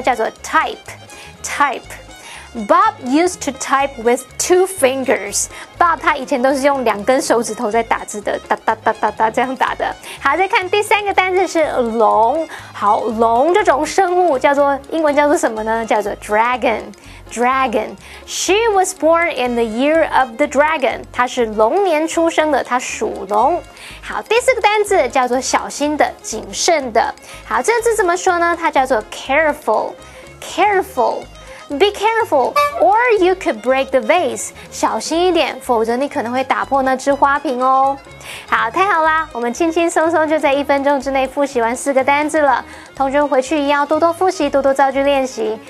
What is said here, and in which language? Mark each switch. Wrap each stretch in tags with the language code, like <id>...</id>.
<zh>叫做</zh> <en>type， type。Bob used to type with two fingers.</en> <zh>Bob 他以前都是用两根手指头在打字的，哒哒哒哒哒这样打的。好，再看第三个单字是龙。好，龙这种生物叫做英文叫做什么呢？叫做</zh> <en>dragon， dragon。 She was born in the year of the dragon.</en> <zh>她是龙年出生的，她属龙。好，第四个单字叫做小心的，谨慎的。好，这个字怎么说呢？它叫做 careful， careful。</zh> <en>Be careful, or you could break the vase.</en> <zh>小心一点，否则你可能会打破那只花瓶哦。好，太好啦！我们轻轻松松就在一分钟之内复习完四个单字了。同学们回去一定要多多复习，多多造句练习。</zh>